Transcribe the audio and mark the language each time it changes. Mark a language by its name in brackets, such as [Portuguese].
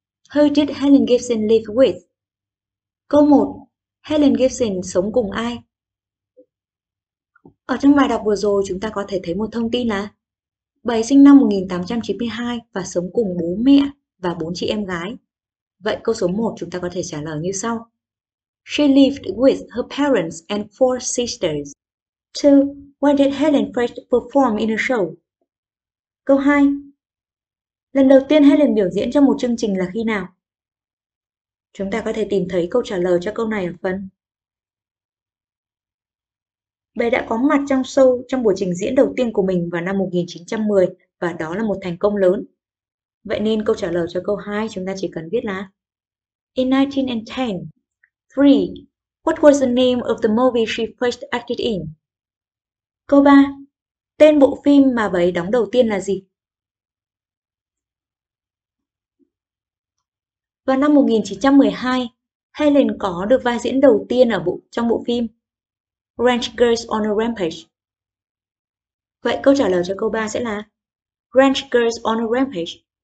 [English] Who did Helen Gibson live with? [Vietnamese] Câu 1. Helen Gibson sống cùng ai? Ở trong bài đọc vừa rồi, chúng ta có thể thấy một thông tin là bà ấy sinh năm 1892 và sống cùng bố mẹ và bốn chị em gái. Vậy câu số 1 chúng ta có thể trả lời như sau. [English] She lived with her parents and four sisters. 2. When did Helen first perform in a show? [Vietnamese] Câu 2. Lần đầu tiên Helen biểu diễn trong một chương trình là khi nào? Chúng ta có thể tìm thấy câu trả lời cho câu này ở phần. Bà đã có mặt trong show trong buổi trình diễn đầu tiên của mình vào năm 1910 và đó là một thành công lớn. Vậy nên câu trả lời cho câu 2 chúng ta chỉ cần viết là In 1910. 3. [English] What was the name of the movie she first acted in? [Vietnamese] Câu 3. Tên bộ phim mà bà ấy đóng đầu tiên là gì? Vào năm 1912, Helen có được vai diễn đầu tiên ở trong bộ phim. Ranch Girls on a Rampage. Vậy câu trả lời cho câu 3 sẽ là Ranch Girls on a Rampage.